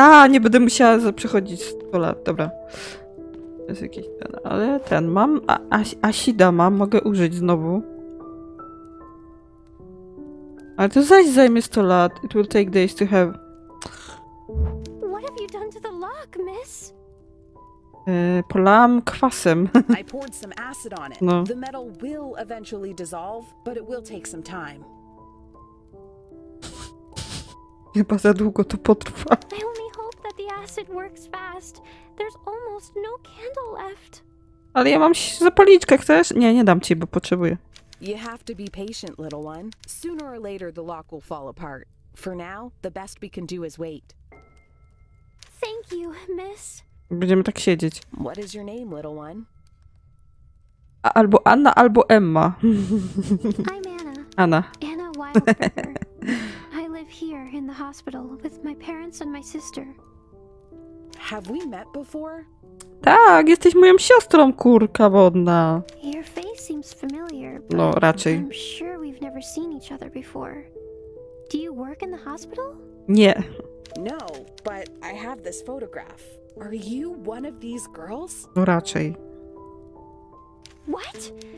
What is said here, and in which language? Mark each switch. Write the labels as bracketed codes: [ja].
[pl] Nie będę musiała przechodzić 100 lat. Dobra. To jest jakiś ten, ale ten mam. Asida mam, mogę użyć znowu. Ale to zaś zajmie 100 lat. [en] It will take days to have. What have you done to the lock, miss? [pl] Polałam kwasem. [en] I poured some acid on it. No. The metal will eventually dissolve, but it will take some time. [pl] Chyba za długo to potrwa. [en] I only hope that the acid works fast. There's almost no candle left. [pl] Ale ja mam zapaliczkę, chcesz? Nie, nie dam ci, bo potrzebuję. [en] You have to be patient, little one. Sooner or later the lock will fall apart. For now, the best we can do is wait. Thank you, miss. [pl] Będziemy tak siedzieć. [en] What is your name, little one? [pl] Albo Anna, albo Emma. [en] I'm Anna. Anna. Anna Wildberger. Here in the hospital with my parents and my sister. Have we met before? [pl] Tak, jesteś moją siostrą, kurka wodna. [en] Your face seems familiar. [pl] No, raczej. [en] I'm sure we've never seen each other before. Do you work in the hospital? [pl] Nie. [en] No, but I have this photograph. Are you one of these girls? [pl] No, raczej. [en] What?